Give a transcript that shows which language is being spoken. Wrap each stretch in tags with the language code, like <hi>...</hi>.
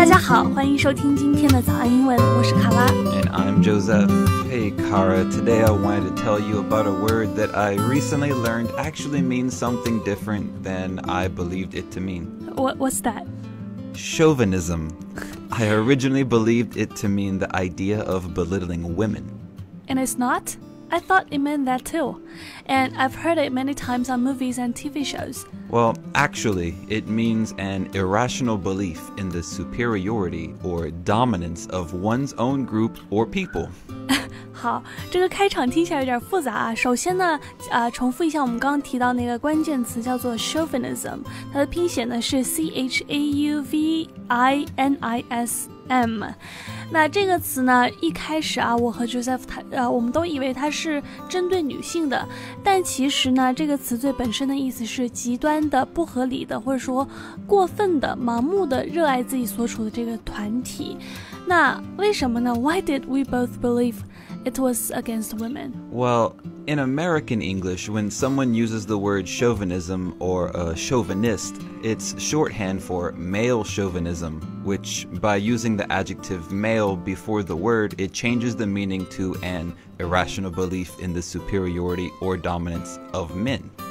<zh>好，欢迎收听今天的早安英文，我是卡拉。</zh> <en>And I'm Joseph. Hey, Kara, today I wanted to tell you about a word that I recently learned actually means something different than I believed it to mean. What's that? Chauvinism. I originally believed it to mean the idea of belittling women. And it's not? I thought it meant that too. And I've heard it many times on movies and TV shows. Well, actually, it means an irrational belief in the superiority or dominance of one's own group or people.</en> <zh>好，这个开场听起来有点复杂啊。首先呢，重复一下我们刚刚提到那个关键词叫做 chauvinism， 它的拼写呢是 chauvinism。那这个词呢，一开始啊，我和 Joseph 我们都以为它是针对女性的，但其实呢，这个词最本身的意思是极端的、不合理的，或者说过分的、盲目的热爱自己所处的这个团体。那为什么呢</zh> <en>？Why did we both believe it was against women? Well, in American English, when someone uses the word chauvinism or a chauvinist, it's shorthand for male chauvinism. Which, by using the adjective male before the word, it changes the meaning to an irrational belief in the superiority or dominance of men.</en>